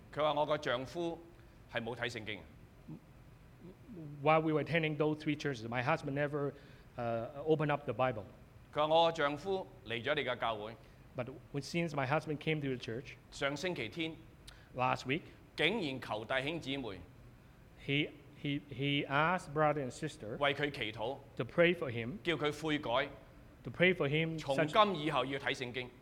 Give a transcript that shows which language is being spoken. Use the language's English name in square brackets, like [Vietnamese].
[Cantonese] 佢話我個丈夫係冇睇聖經。 [English] While we were attending those three churches, my husband never opened up the Bible. [Cantonese] 佢話我個丈夫嚟咗你嘅教會。 [English] But since my husband came to the church, [Cantonese] 上星期天 [English] ，last week， [Cantonese] 竟然求弟兄姊妹 [English] ，he asked brother and sister [Cantonese] 為佢祈禱 [English] ，to pray for him， [Cantonese] 叫佢悔改 [English] ，to pray for him， [Cantonese] 從今以後要睇聖經